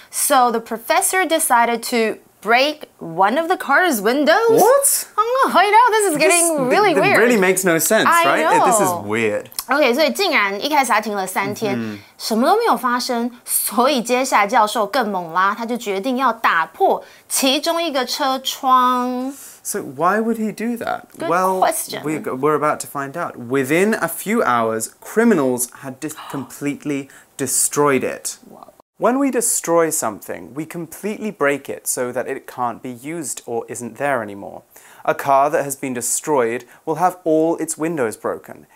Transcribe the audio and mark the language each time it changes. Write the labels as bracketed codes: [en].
[en] So the professor decided to break one of the car's windows? What? Oh, I know, this is getting really weird. It really makes no sense, right? I know. This is weird. [zh] Okay, 所以竟然一开始他停了三天什么都没有发生，所以接下来教授更猛啦，他就决定要打破其中一个车窗。 [en] So why would he do that? Good question. Well, we're about to find out. Within a few hours, criminals had completely destroyed it. When we destroy something, we completely break it so that it can't be used or isn't there anymore. A car that has been destroyed will have all its windows broken.